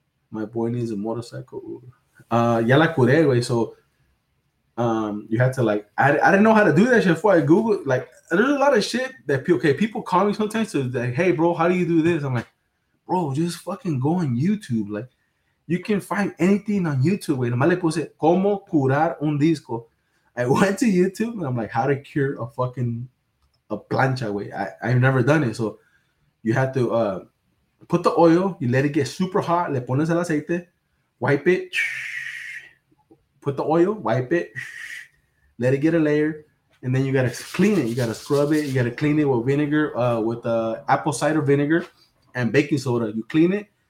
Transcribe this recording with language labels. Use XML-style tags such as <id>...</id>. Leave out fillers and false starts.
<en>My boy needs a motorcycle. Yeah,</en> <es>la curé, güey.</es> <en>So you had to like, I didn't know how to do that shit before I Googled. Like, there's a lot of shit that people call me sometimes to like, hey, bro, how do you do this? I'm like, bro, just fucking go on YouTube. Like, you can find anything on YouTube. Wait,</en> <es>nomás le puse, ¿cómo curar un disco?</es> <en>I went to YouTube and I'm like, how to cure a fucking a</en> <es>plancha, güey.</es> <en>I've never done it. So you have to put the oil, you let it get super hot,</en> <es>le pones el aceite,</es> <en>wipe it. Put the oil, wipe it, let it get a layer, and then you gotta clean it. You gotta scrub it. You gotta clean it with vinegar, with apple cider vinegar and baking soda. You clean it.</en>